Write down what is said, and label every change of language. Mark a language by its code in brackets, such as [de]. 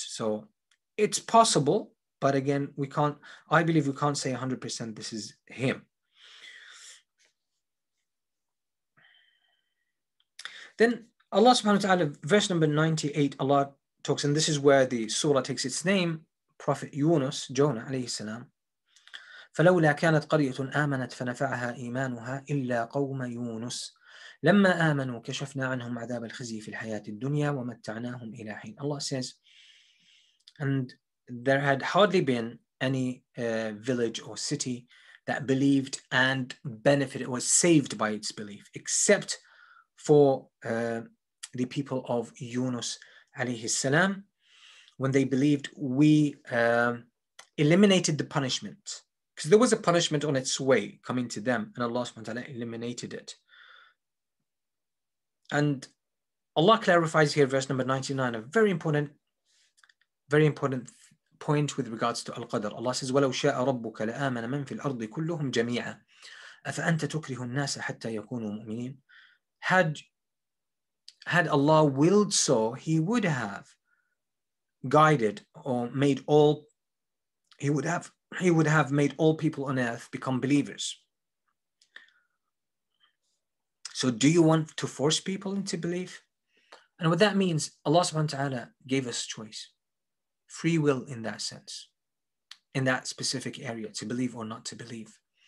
[en] So it's possible, but again, we can't say 100% this is him. Then Allah subhanahu wa ta'ala, verse number 98, Allah talks, and this is where the surah takes its name, Prophet Yunus, Jonah alayhi salam. [ar] فلولا كانت قرية آمنت فنفعها إيمانها إلا قوم يونس لما آمنوا كشفنا عنهم عذاب الخزي في الحياة الدنيا ومتعناهم إلى حين. [en] Allah says, and there had hardly been any village or city that believed and benefited, was saved by its belief, except for the people of Yunus عليه السلام. When they believed, we eliminated the punishment. Because there was a punishment on its way coming to them, and Allah subhanahu wa ta'ala eliminated it. And Allah clarifies here, verse number 99, a very important point with regards to Al-Qadr. [ar] Allah says, وَلَوْ شَاءَ رَبُّكَ لَآمَنَ مَنْ فِي الْأَرْضِ كُلُّهُمْ جَمِيعًا أَفَأَنْتَ تُكْرِهُ النَّاسَ حَتَّى يَكُونُوا مُؤْمِنِينَ. [en] Had Allah willed so, He would have guided or made all, He would have made all people on earth become believers. So do you want to force people into belief? And what that means, Allah subhanahu wa ta'ala gave us choice, free will in that sense, in that specific area, to believe or not to believe.